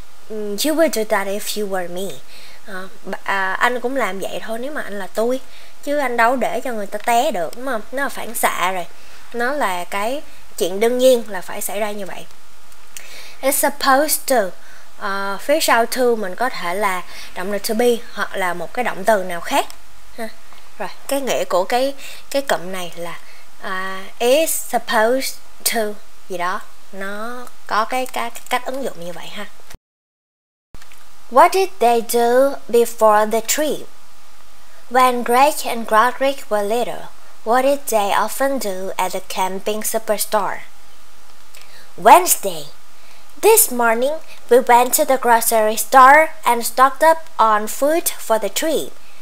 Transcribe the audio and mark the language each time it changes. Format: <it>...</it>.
<en>You would do that if you were me.</en> <vi>Anh cũng làm vậy thôi nếu mà anh là tôi, chứ anh đâu để cho người ta té được, đúng không? Nó là phản xạ rồi, nó là cái chuyện đương nhiên là phải xảy ra như vậy.</vi> <en>It's supposed to,</en> <vi>phía sau to mình có thể là động lực to be hoặc là một cái động từ nào khác ha. Rồi cái nghĩa của cái cụm này là is supposed to gì đó, nó có cái cách ứng dụng như vậy ha.</vi> <en>What did they do before the trip? When Greg and Roderick were little, what did they often do at the camping superstore? Wednesday. This morning, we went to the grocery store and stocked up on food for the trip.</en>